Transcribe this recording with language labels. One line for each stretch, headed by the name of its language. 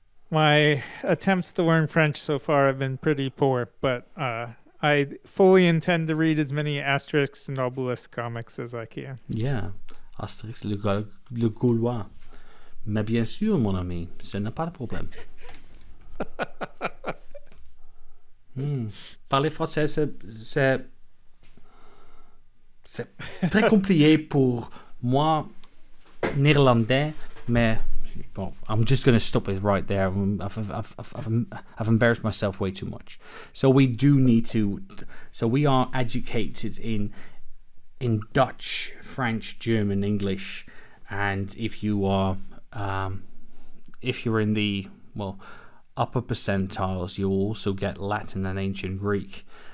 English: My attempts to learn French so far have been pretty poor, but I fully intend to read as many Asterix and Obelisk comics as I can. Yeah, Asterix le Gaulois.
French: Mais bien sûr, mon ami, ce n'est pas le problème. Parler français, c'est très compliqué pour moi, néerlandais, mais bon,
English: I'm just going to stop it right there. I've embarrassed myself way too much. So we do need to. So we are educated in Dutch, French, German, English, and if you are, if you're in the upper percentiles, you also get Latin and ancient Greek.